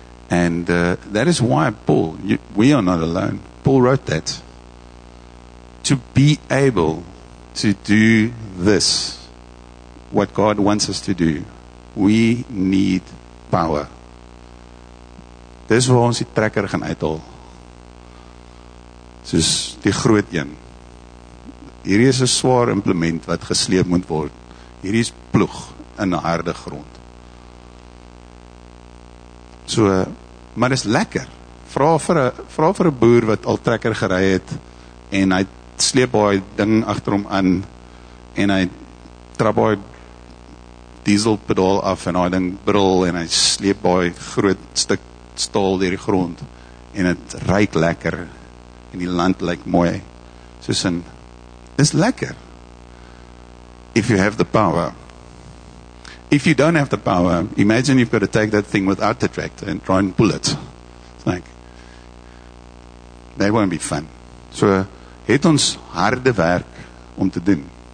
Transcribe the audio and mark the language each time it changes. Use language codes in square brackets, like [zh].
[en] And that is why we are not alone. Paul wrote that. To be able to do this, what God wants us to do, we need power. [af] Dis waar ons die trekker gaan uithaal. Soos die groot een. Hierdie is 'n swaar implement wat gesleep moet word. Hierdie is ploeg in harde grond. So, maar dis lekker. Vra vir 'n boer wat al trekker gery het en hy sleep daai ding agter hom aan en hy trap hy dieselpedaal af en hy ding brul en hy sleep daai groot stuk staal deur die grond en het ruik lekker en die land lyk mooi. Soos in, is lekker. [en] If you have the power. If you don't have the power, imagine you've got to take that thing without the tractor and try and pull it. It's like, that won't be fun. [af] So, het ons harde werk om te doen?